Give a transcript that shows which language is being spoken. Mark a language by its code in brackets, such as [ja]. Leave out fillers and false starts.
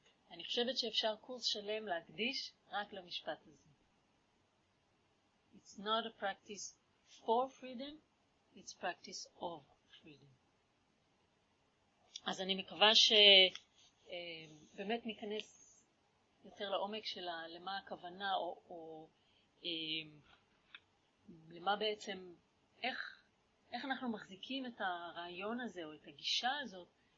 [he] אני חושבת שאפשר קורס שלם להקדיש רק למשפט הזה. [en] It's not a practice for freedom, it's practice of freedom. [he] אז אני מקווה שבאמת ניכנס יותר לעומק של למה הכוונה, או למה בעצם, איך אנחנו מחזיקים את הרעיון הזה או את הגישה הזאת.